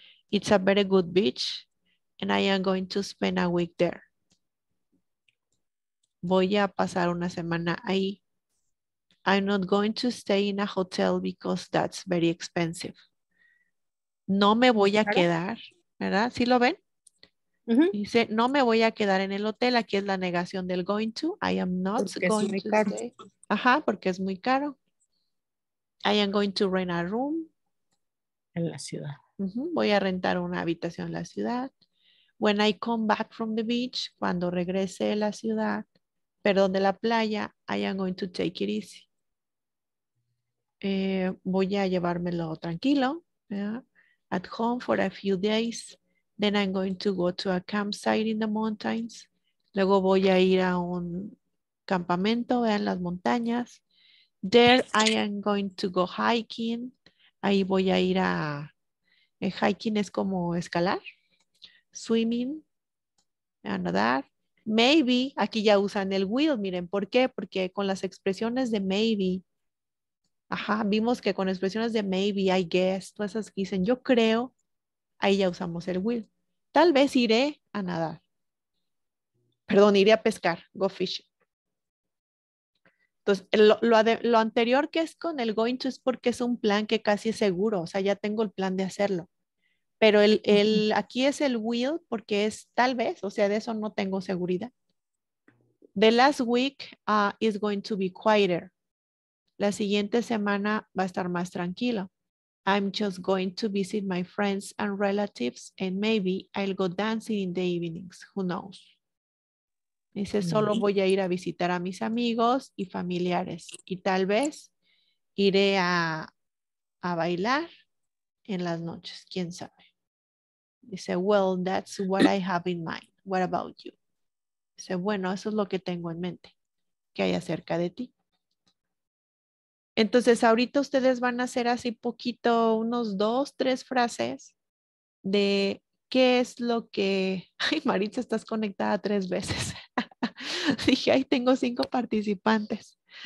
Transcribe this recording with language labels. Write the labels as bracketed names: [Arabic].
[English] It's a very good beach, and I am going to spend a week there. [Spanish] Voy a pasar una semana ahí. [English] I'm not going to stay in a hotel because that's very expensive. [Spanish] No me voy a quedar, ¿verdad? ¿Sí lo ven? Uh-huh. Dice, no me voy a quedar en el hotel. Aquí es la negación del [English] going to. I am not porque going to caro. Stay. [Spanish] Ajá, porque es muy caro. [English] I am going to rent a room. [Spanish] En la ciudad. Uh-huh. Voy a rentar una habitación en la ciudad. [English] When I come back from the beach, [Spanish] cuando regrese de la ciudad, perdón, de la playa, [English] I am going to take it easy. [Spanish] Voy a llevármelo tranquilo. Yeah. [English] At home for a few days. Then I'm going to go to a campsite in the mountains. [Spanish] Luego voy a ir a un campamento en las montañas. [English] There I am going to go hiking. [Spanish] Ahí voy a ir a... hiking es como escalar. Swimming. A nadar. Maybe. Aquí ya usan el will. Miren, ¿por qué? Porque con las expresiones de maybe. Ajá, vimos que con expresiones de maybe, [English] I guess. [Spanish] Todas esas que dicen yo creo. Ahí ya usamos el will. Tal vez iré a nadar. Perdón, iré a pescar. [English] Go fishing. [Spanish] Entonces, lo anterior que es con el going to es porque es un plan que casi es seguro. O sea, ya tengo el plan de hacerlo. Pero el aquí es el will porque es tal vez. O sea, de eso no tengo seguridad. [English] The last week is going to be quieter. [Spanish] La siguiente semana va a estar más tranquilo. [English] I'm just going to visit my friends and relatives and maybe I'll go dancing in the evenings. Who knows? [Spanish] Dice, solo voy a ir a visitar a mis amigos y familiares. Y tal vez iré a bailar en las noches. ¿Quién sabe? [English] Dice, well, that's what I have in mind. What about you? [Spanish] Dice, bueno, eso es lo que tengo en mente. ¿Qué hay acerca de ti? Entonces, ahorita ustedes van a hacer así poquito, unos 2, 3 frases de qué es lo que... Ay, Maritza, estás conectada 3 veces. Dije, ay, tengo 5 participantes.